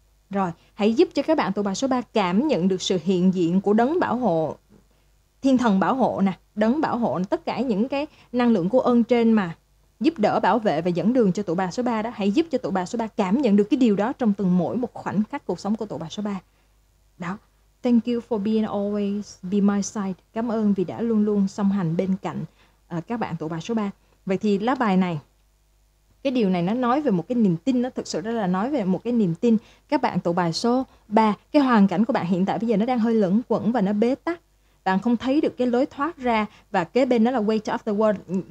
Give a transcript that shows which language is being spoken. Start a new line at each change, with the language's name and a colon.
Vietnamese: Rồi, hãy giúp cho các bạn tụ bài số 3 cảm nhận được sự hiện diện của đấng bảo hộ, thiên thần bảo hộ nè, đấng bảo hộ, tất cả những cái năng lượng của ơn trên mà giúp đỡ, bảo vệ và dẫn đường cho tụ bài số 3 đó. Hãy giúp cho tụ bài số 3 cảm nhận được cái điều đó trong từng mỗi một khoảnh khắc cuộc sống của tụ bài số 3. Đó.
English: Thank you for being always by my side.
Vietnamese: Cảm ơn vì đã luôn luôn song hành bên cạnh các bạn tụ bài số 3. Vậy thì lá bài này, cái điều này nó nói về một cái niềm tin, nó thực sự rất là nói về một cái niềm tin. Các bạn tụ bài số 3, cái hoàn cảnh của bạn hiện tại bây giờ nó đang hơi lẫn quẩn và nó bế tắc. Bạn không thấy được cái lối thoát ra và kế bên đó là
English: weight of the world.